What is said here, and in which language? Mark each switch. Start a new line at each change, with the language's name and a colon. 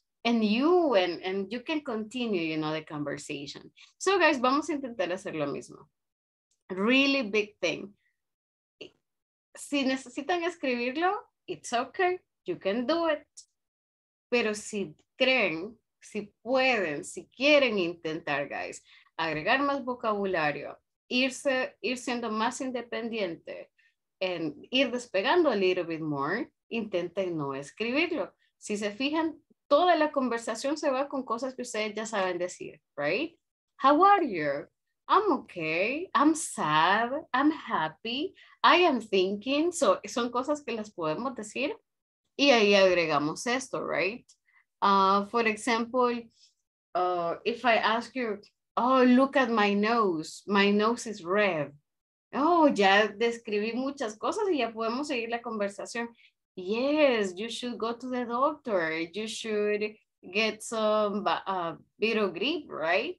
English: and you, and you can continue, you know, the conversation. So guys,
Spanish: vamos a intentar hacer lo mismo.
English: Really big thing.
Spanish: Si necesitan escribirlo,
English: it's okay, you can do it.
Spanish: Pero si creen, si pueden, si quieren intentar, guys, agregar más vocabulario, ir siendo más independiente, and ir despegando
English: a little bit more,
Spanish: intenten no escribirlo. Si se fijan, toda la conversación se va con cosas que ustedes ya saben decir,
English: right? How are you? I'm okay, I'm sad, I'm happy, I am thinking.
Spanish: So, son cosas que las podemos decir y ahí agregamos esto,
English: right? For example, if I ask you, oh, look at my nose is red.
Spanish: Oh, ya describí muchas cosas y ya podemos seguir la conversación.
English: Yes, you should go to the doctor. You should get some bit of grip, right?